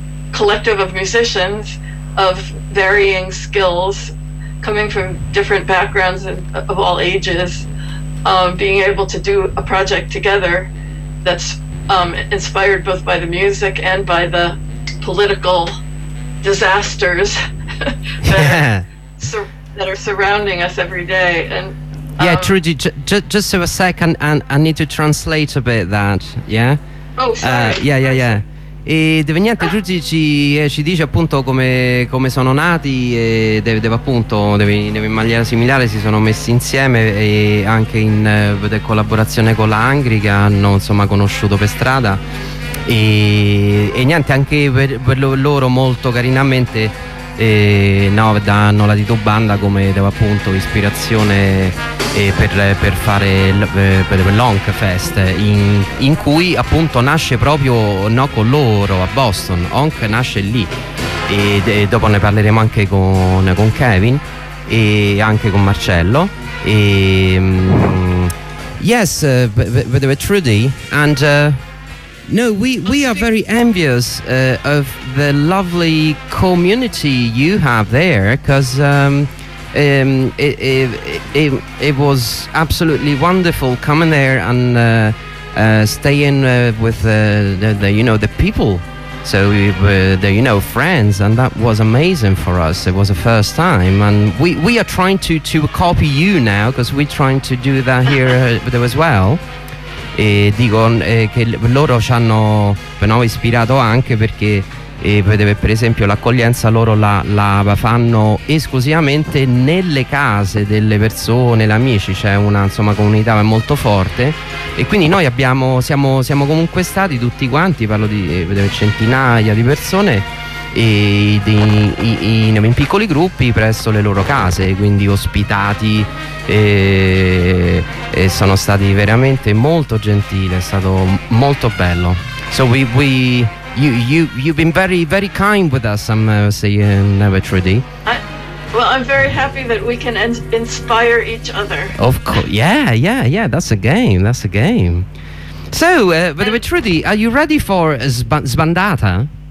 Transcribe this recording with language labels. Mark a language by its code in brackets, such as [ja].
[en] collective of musicians of varying skills coming from different backgrounds and of all ages, being able to do a project together that's inspired both by the music and by the political disasters that are surrounding us every day. And yeah, Trudy, just have a second, and I need to translate a bit that, yeah? Oh, sorry. [it] E niente, Trudy ci dice appunto come sono nati, e deve in maniera similare si sono messi insieme, e anche in collaborazione con la Angri, che hanno insomma conosciuto per strada, e niente, anche per loro molto carinamente danno la Titu Banda come appunto ispirazione per fare per l'Honk Fest, in cui appunto nasce proprio, no, con loro a Boston. Honk nasce lì, e dopo ne parleremo anche con Kevin e anche con Marcello. [en] E yes, with Trudy, and no, we are very envious of the lovely community you have there, because it was absolutely wonderful coming there and staying with the you know, the people. So we were the, you know, friends, and that was amazing for us. It was the first time, and we are trying to copy you now, because we're trying to do that here there as well. [it] E dicono che loro ci hanno, no, ispirato anche perché per esempio l'accoglienza loro la fanno esclusivamente nelle case delle persone, gli amici, c'è una insomma comunità molto forte, e quindi noi siamo comunque stati tutti quanti, parlo di centinaia di persone, e in piccoli gruppi presso le loro case, quindi ospitati, e sono stati veramente molto gentili, è stato molto bello. [en] So you've been very very kind with us, I'm saying, never Trudy. Well, I'm very happy that we can inspire each other. Of course, yeah, that's a game. So but Trudy, are you ready for Sbandata?